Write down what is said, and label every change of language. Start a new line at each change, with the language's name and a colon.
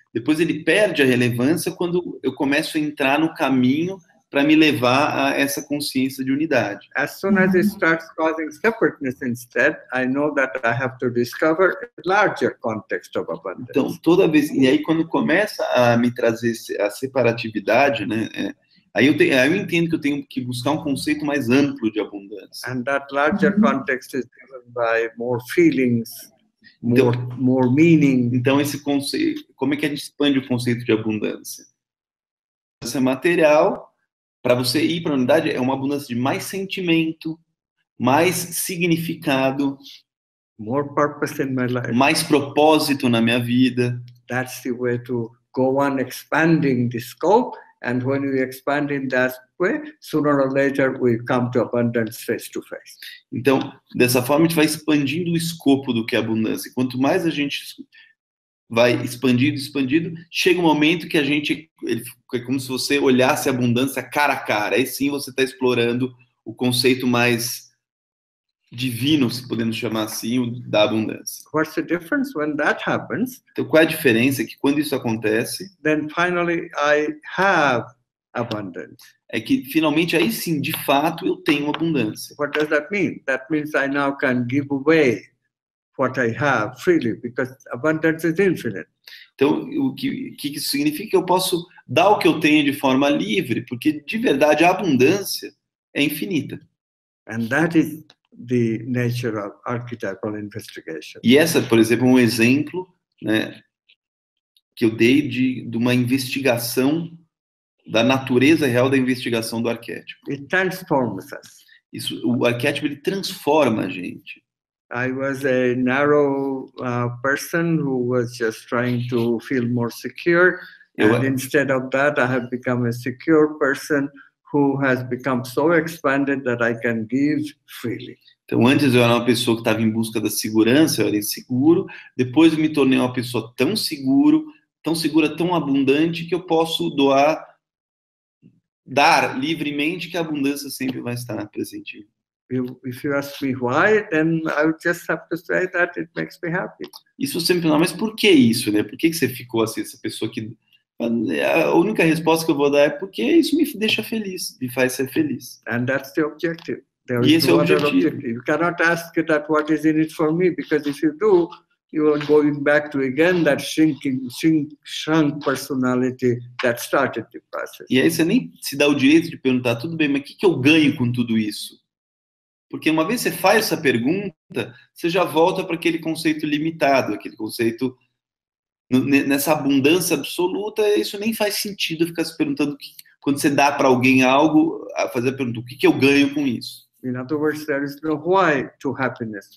Portuguese: Depois ele perde a relevância quando eu começo a entrar no caminho para me levar a essa consciência de unidade.
English: As soon as it starts causing separateness instead, I know that I have to discover a larger context of abundance.
Portuguese: Então, toda vez, e aí quando começa a me trazer a separatividade, né, aí eu entendo que eu tenho que buscar um conceito mais amplo de abundância.
English: And that larger context is driven by more feelings, more meaning.
Portuguese: Então, esse conceito, como é que a gente expande o conceito de abundância? Abundância material, para você ir para a unidade, é uma abundância de mais sentimento, mais significado,
English: more purpose in my life.
Portuguese: Mais propósito na minha vida.
English: That's the way to go on expanding the scope. And when we expand in that way, sooner or later we come to abundance face to face.
Portuguese: Então, dessa forma a gente vai expandindo o escopo do que é abundância. Quanto mais a gente vai expandindo, chega um momento que a gente, é como se você olhasse a abundância cara a cara. Aí sim você está explorando o conceito mais divino, se podemos chamar assim, o da abundância.
English: What's the difference when that happens?
Portuguese: Então, qual é a diferença que quando isso acontece?
English: Then finally I have abundance.
Portuguese: É que finalmente aí sim, de fato, eu tenho abundância.
English: What does that mean? That means I now can give away what I have freely, because abundance is infinite.
Portuguese: Então, o que isso significa? Eu posso dar o que eu tenho de forma livre, porque de verdade a abundância é infinita.
English: And that is the nature of archetypal investigation.
Portuguese: E essa, por exemplo, um exemplo, né, que eu dei de uma investigação da natureza real da investigação do arquétipo.
English: It transforms us.
Portuguese: Isso, o arquétipo ele transforma a gente.
English: I was a narrow person who was just trying to feel more secure, and instead of that, I have become a secure person who has become so expanded that I can give freely.
Portuguese: Então, antes eu era uma pessoa que estava em busca da segurança, eu era inseguro, depois me tornei uma pessoa tão segura, tão abundante, que eu posso dar livremente, que a abundância sempre vai estar presente.
English: If you ask me why, then I would just have to say that it makes me happy.
Portuguese: Isso sempre não, mas por que isso, né? Por que que você ficou assim, essa pessoa que... A única resposta que eu vou dar é porque isso me deixa feliz, me faz ser feliz.
English: And that's the objective.
Portuguese: E esse é o objetivo.
English: You cannot ask that what is in it for me, because if you do, you are going back to again that shrunk personality that started the process.
Portuguese: E aí você nem se dá o direito de perguntar, tudo bem, mas o que, que eu ganho com tudo isso? Porque uma vez você faz essa pergunta, você já volta para aquele conceito limitado, aquele conceito nessa abundância absoluta, isso nem faz sentido ficar se perguntando que, quando você dá para alguém algo, fazer a pergunta, o que, que eu ganho com isso?
English: In other words, there is no why to happiness.